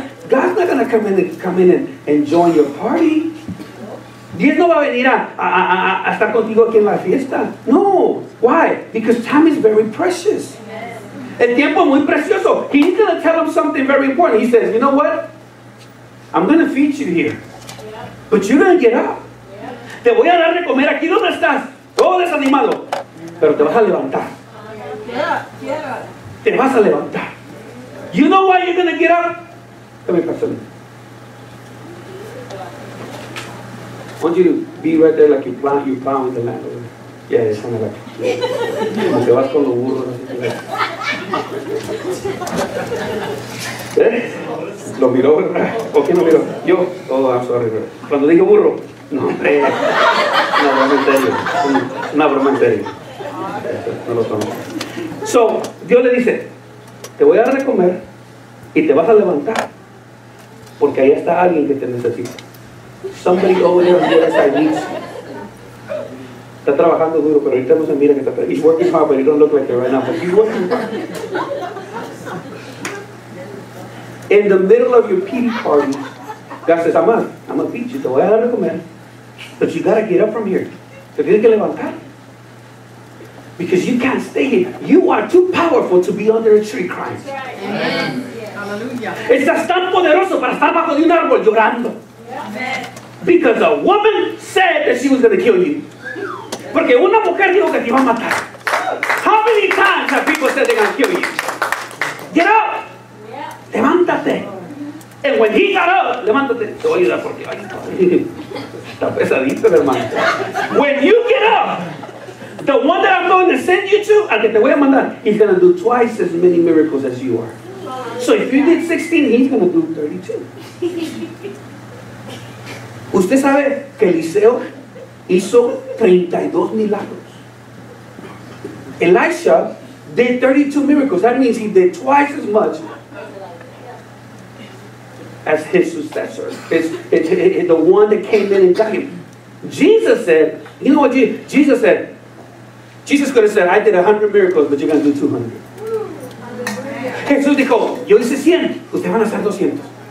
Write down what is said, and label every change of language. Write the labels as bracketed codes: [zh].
[en] God's not going to come in and join your party. [es] Dios no va a venir a estar contigo aquí en la fiesta. [en] No. Why? Because time is very precious. Amen. [es] El tiempo es muy precioso. [en] He's going to tell him something very important. He says, you know what? I'm going to feed you here. Yeah. But you're going to get up. Yeah. [es] Te voy a dar de comer aquí donde estás. Todo desanimado. Pero te vas a levantar. [en] Yeah. [es] Te vas a levantar. [en] You know why you're going to get up? Come here, Pastor. I want you to be right there like you plow in the land. Yeah, it's kind of like. [es] Como te vas con los burros. Lo miró, ¿verdad? ¿O quién lo miró? Yo. [en] Oh, I'm sorry, bro. [es] Cuando dije burro. No, hombre. Una broma en serio. Una broma en serio. No lo tomo. So, Dios le dice: te voy a dar de comer y te vas a levantar. Porque ahí está alguien que te necesita. [en] Somebody over there on the other side needs you. [es] Está trabajando duro, pero ahorita no se mira que está. [en] He's working hard, but he don't look like it right now. But he's working hard. In the middle of your pity party, God says, I'm a beat you. [es] Te voy a dar de comer. [en] But you gotta get up from here. [es] Te tienes que levantar. [en] Because you can't stay here. You are too powerful to be under a tree crying. That's right. Amen. Yeah. Hallelujah. [es] Estás tan poderoso para estar bajo de un árbol llorando. [en] Because a woman said that she was going to kill you. [es] Porque una mujer dijo que te iba a matar. [en] How many times have people said they're going to kill you? Get up. [es] Levántate. [en] And when he got up, [es] levántate. Te voy a ayudar porque está pesadito, hermano. [en] When you get up, the one that I'm going to send you to, [es] al que te voy a mandar, [en] he's going to do twice as many miracles as you are. So if you did 16, he's going to do 32. [es] ¿Usted sabe que Eliseo hizo 32 milagros? [en] Elisha did 32 miracles. That means he did twice as much as his successor. It's the one that came in and got him. Jesus said, you know what Jesus said? Jesus could have said, I did 100 miracles, but you're going to do 200. [es] Jesús dijo, yo hice 100, ustedes van a hacer 200.